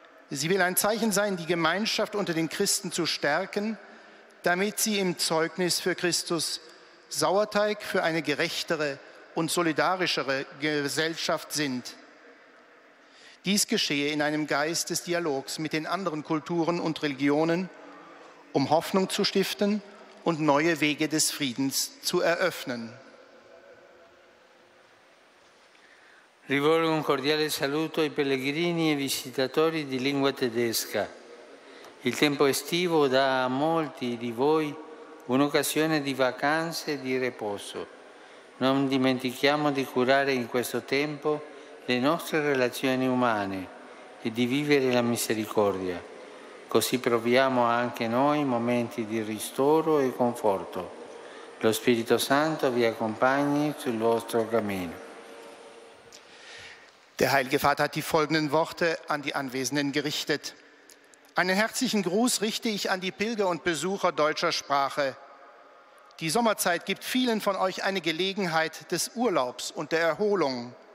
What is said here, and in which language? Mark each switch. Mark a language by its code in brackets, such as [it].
[de] Sie will ein Zeichen sein, die Gemeinschaft unter den Christen zu stärken, damit sie im Zeugnis für Christus Sauerteig für eine gerechtere und solidarischere Gesellschaft sind. Dies geschehe in einem Geist des Dialogs mit den anderen Kulturen und Religionen, um Hoffnung zu stiften und neue Wege des Friedens zu eröffnen. [it] Rivolgo un cordiale saluto ai pellegrini e visitatori di lingua tedesca. Il tempo estivo dà a molti di voi un'occasione di vacanze e di riposo. Non dimentichiamo di curare in questo tempo le nostre relazioni umane e di vivere la misericordia. Così proviamo anche noi momenti di ristoro e conforto. Lo Spirito Santo vi accompagni sul vostro cammino. [de] Der Heilige Vater hat die folgenden Worte an die Anwesenden gerichtet. Einen herzlichen Gruß richte ich an die Pilger und Besucher deutscher Sprache. Die Sommerzeit gibt vielen von euch eine Gelegenheit des Urlaubs und der Erholung.